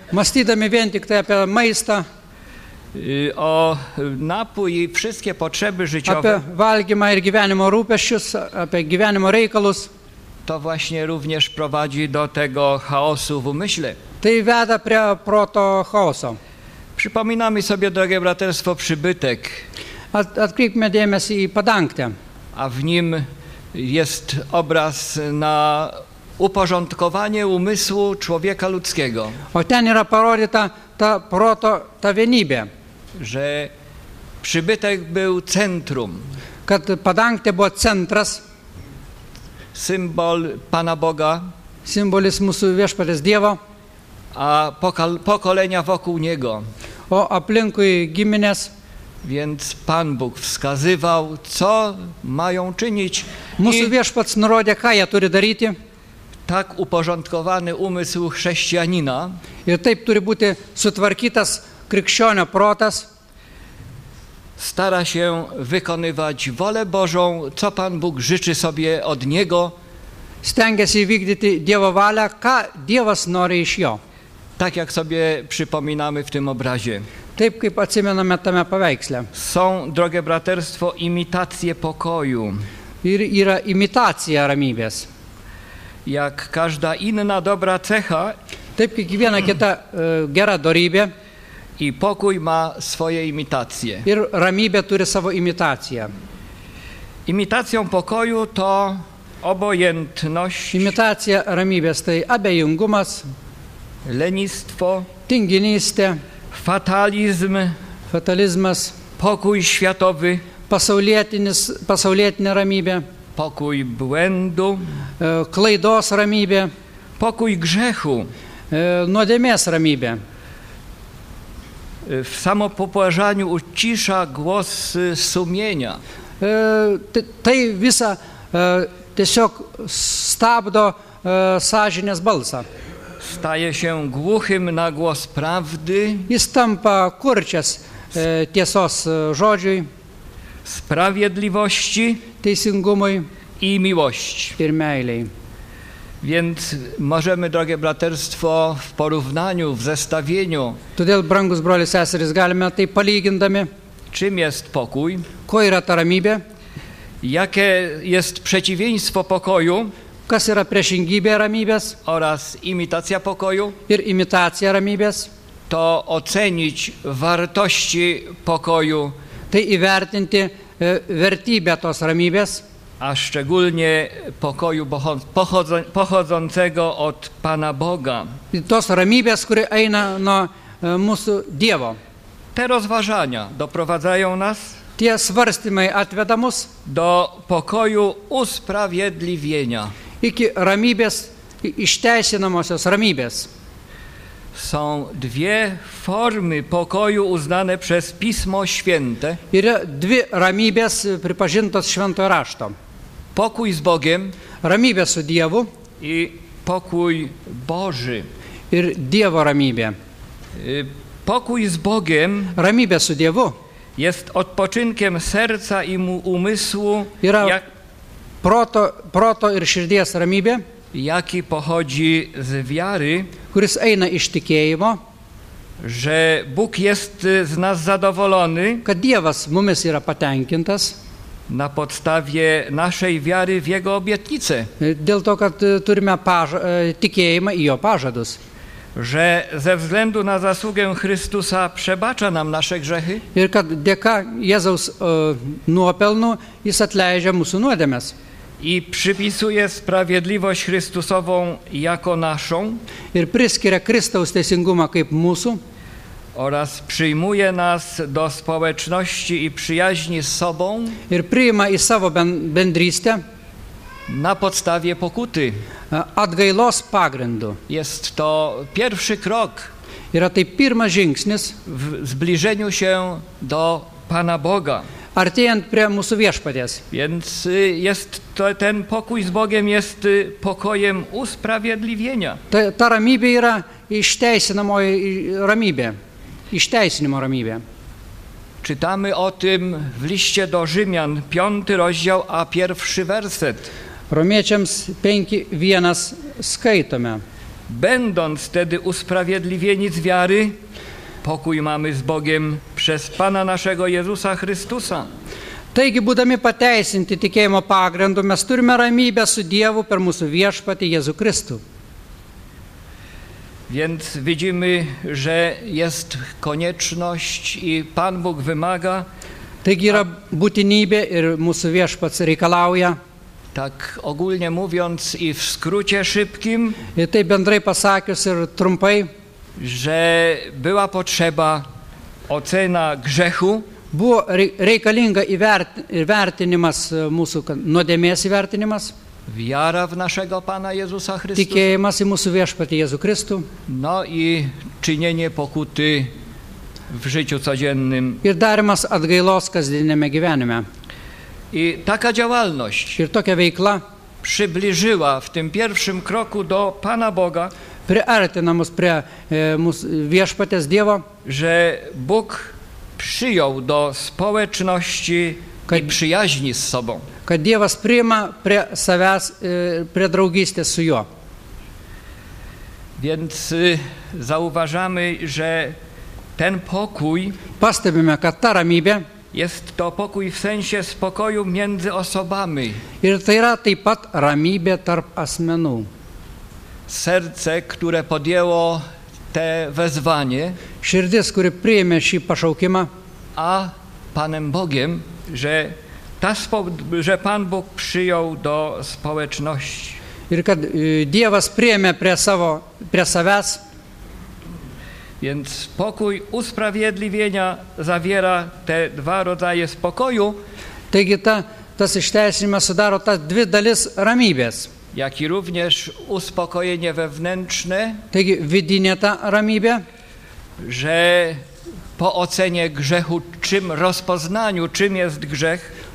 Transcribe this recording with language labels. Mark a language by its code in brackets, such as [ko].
[lt] Mąstydami vien tik tai apie maistą. [pl] O napój i wszystkie potrzeby życiowe. [lt] Apie valgymą ir gyvenimo rūpesčius, apie gyvenimo reikalus. [pl] To właśnie również prowadzi do tego chaosu w umyśle. [lt] Tai veda prie proto chaoso. [pl] Przypominamy sobie, drogie braterstwo, przybytek. [lt] Atkreipkime dėmesį į padangtę. [pl] A w nim jest obraz na uporządkowanie umysłu człowieka ludzkiego. [lt] O ten yra parodyta ta proto, ta vienybė. [pl] Że przybytek był centrum. [lt] Kad padangtė buvo centras. [pl] Symbol Pana Boga. [lt] Symbolis mūsų viešpaties Dievo. [pl] A pokolenia wokół Niego. [lt] O aplinkui giminės. [pl] Więc Pan Bóg wskazywał, co mają czynić. [lt] Mūsų viešpats nurodė, ką jie turi daryti. [pl] Tak uporządkowany umysł chrześcijanina. [lt] I taip turi būti sutvarkytas krikščionio protas. [pl] Stara się wykonywać wolę Bożą, co Pan Bóg życzy sobie od niego. [lt] Stengiasi įvykdyti Dievo valią, ką Dievas nori iš jo. [pl] Tak jak sobie przypominamy w tym obrazie. [lt] Taip kaip atsimename tame paveiksle. [pl] Są, drogie braterstwo, imitacje pokoju. [lt] Ir yra imitacija ramybės. [pl] Jak każda inna dobra cecha. [lt] Taip kiekviena kita gera dorybė. [pl] I pokój ma swoje imitacje. [lt] Ir ramybė turi savo imitaciją. [pl] Imitacją pokoju to obojętność. [lt] Imitacja ramybės tai abejingumas. [pl] Lenistwo. [lt] Tinginystė. [pl] Fatalizm. [lt] Fatalizmas. [pl] Pokój światowy. [lt] Pasaulietinė ramybė. [pl] Pokój błędu. [lt] Klaidos ramybė. [pl] Pokój grzechu. [lt] Nuodėmės ramybė. [pl] W samopobłażaniu ucisza głos sumienia. [lt] Tai visa tiesiog stabdo sąžinės balsą. [pl] Staje się głuchym na głos prawdy. [lt] Jis tampa kurčias tiesos žodžiui. [pl] Sprawiedliwości. [lt] Teisingumui. [pl] I miłości. [lt] Ir meilei. [pl] Więc możemy, drogie braterstwo, w porównaniu, w zestawieniu. [lt] Todėl, brangus brolis, seserys, galime tai palygindami. [pl] Czym jest pokój? [lt] Ko yra ta ramybė? [pl] Jakie jest przeciwieństwo pokoju? [lt] Kas yra priešingybė ramybės? [pl] Oraz imitacja pokoju? [lt] Ir imitacja ramybės. [pl] To ocenić wartości pokoju. [lt] Tai įvertinti vertybę tos ramybės. [pl] A szczególnie pokoju pochodzącego od Pana Boga. [lt] Tos ramybės, kuri eina nuo mūsų Dievo. [pl] Te rozważania doprowadzają nas. [lt] Tie svarstymai atveda mus. [pl] Do pokoju usprawiedliwienia. [lt] Iki ramybės, išteisinamosios ramybės. [pl] Są dwie formy pokoju uznane przez Pismo Święte. [lt] Yra dvi ramybės pripažintos Šventojo Rašto. [pl] Pokój z Bogiem. [lt] Ramybė su Dievu. [pl] I pokój Boży. [lt] Ir Dievo ramybė. [pl] Pokój z Bogiem. [lt] Ramybė su Dievu. [pl] Jest odpoczynkiem serca i umysłu. [lt] Yra jak, proto ir širdies ramybė. [pl] Jaki pochodzi z wiary. [lt] Kuris eina iš tikėjimo. [pl] Że Bóg jest z nas zadowolony. [lt] Kad Dievas mumis yra patenkintas. [pl] Na podstawie naszej wiary w Jego obietnice. [lt] Dėl to, kad turime tikėjimą į jo pažadus. [pl] Że ze względu na zasługę Chrystusa przebacza nam nasze grzechy. [lt] Ir kad dėka Jėzaus nuopelnų, jis atleidžia mūsų nuodėmes. [pl] i przypisuje sprawiedliwość Chrystusową jako naszą [lt] ir priskiria Kristaus teisingumą kaip mūsų [pl] oraz przyjmuje nas do społeczności i przyjaźni z sobą [lt] ir priima į savo bendrystę [pl] na podstawie pokuty [lt] atgailos pagrindu [pl] jest to pierwszy krok [lt] yra tai pirmas žingsnis [pl] w zbliżeniu się do Pana Boga [lt] artėjant prie mūsų viešpaties. [pl] Więc jest to, ten pokój z Bogiem jest pokojem usprawiedliwienia. [lt] Ta ramybė yra išteisinamoji ramybė. Išteisinimo ramybė. [pl] Czytamy o tym w liście do Rzymian, 5 rozdział, a pierwszy werset. [lt] Romiečiams 5:1 skaitome. [pl] Będąc tedy usprawiedliwieni z wiary, pokój mamy z Bogiem przez Pana naszego Jezusa Chrystusa. [lt] Taigi, būdami pateisinti tikėjimo pagrindu, mes turime ramybę su Dievu per mūsų viešpatį Jėzų Kristų. [pl] Więc widzimy, że jest konieczność i Pan Bóg wymaga. [lt] Taigi yra būtinybė ir mūsų viešpats reikalauja. [pl] Tak ogólnie mówiąc i w skrócie szybkim. [lt] I tai bendrai pasakius ir trumpai. [pl] Że była potrzeba ocena grzechu. [lt] Buvo reikalinga įvertinimas mūsų nuodėmės įvertinimas. [pl] Wiara w naszego Pana Jezusa Chrystusa. [lt] Tikėjimas į mūsų viešpatį Jėzų Kristų. [pl] No i czynienie pokuty w życiu codziennym. [lt] Ir darymas atgailos kasdienėme gyvenime. [pl] I taka działalność. [lt] Ir tokia veikla. [pl] Przybliżyła w tym pierwszym kroku do Pana Boga. [lt] Priartina mus prie mūsų viešpatės Dievo. [pl] Że Bóg przyjął do społeczności kad, i przyjaźni z sobą. [lt] Kad Dievas priima prie savęs, prie draugystės su Juo. [pl] Więc zauważamy, że ten pokój [lt] pastebime, kad ta ramybė [pl] jest to pokój w sensie spokoju między osobami. [lt] Ir tai yra taip pat ramybė tarp asmenų. [pl] Serce, które podjęło te wezwanie, [lt] Širdis, który przyjmie šį pašaukimą, [pl] a Panem Bogiem, że, ta że Pan Bóg przyjął do społeczności. [lt] Ir kad Dievas priėmė prie savęs. [pl] Więc pokój usprawiedliwienia zawiera te dwa rodzaje spokoju. [lt] Taigi tas išteisinimas sudaro tas dvi dalis ramybės. [pl] Jak i również uspokojenie wewnętrzne. [lt] Taigi vidinė ta ramybė. [pl] Że po ocenie grzechu, czym rozpoznaniu, czym jest grzech.